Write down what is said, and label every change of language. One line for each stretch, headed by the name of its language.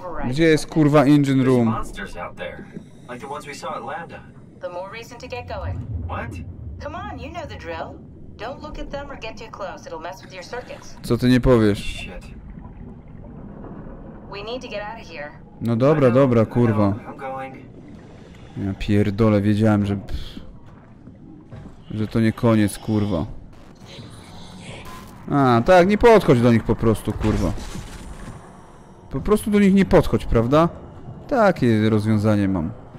Polish: Gdzie jest kurwa engine room?
English: Like the ones we saw at Lambda. The more reason to get going. What? Come on, you know the drill. Don't look at them or get too close. It'll mess with your circuits.
Polish: Co ty nie powiesz?
English: Shit. We need to get out of here.
Polish: No dobra, dobra, kurwa.
English: I'm going.
Polish: Ja pierdolę, wiedziałem, że... Że to nie koniec, kurwa. A, tak, nie podchodź do nich po prostu, kurwa. Po prostu do nich nie podchodź, prawda? Takie rozwiązanie mam.